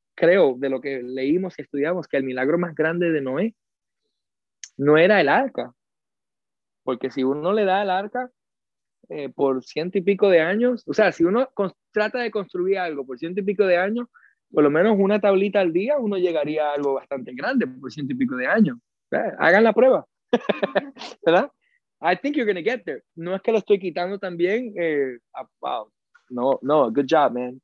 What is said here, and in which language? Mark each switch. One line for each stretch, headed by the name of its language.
Spanish: Creo de lo que leímos y estudiamos, que el milagro más grande de Noé no era el arca. Porque si uno le da el arca por ciento y pico de años, o sea, si uno trata de construir algo por ciento y pico de años, por lo menos una tablita al día, uno llegaría a algo bastante grande, por ciento y pico de años. Hagan la prueba.
English: ¿Verdad? I think you're going to get there.
Spanish: No es que lo estoy quitando también. Wow.
English: No, good job, man.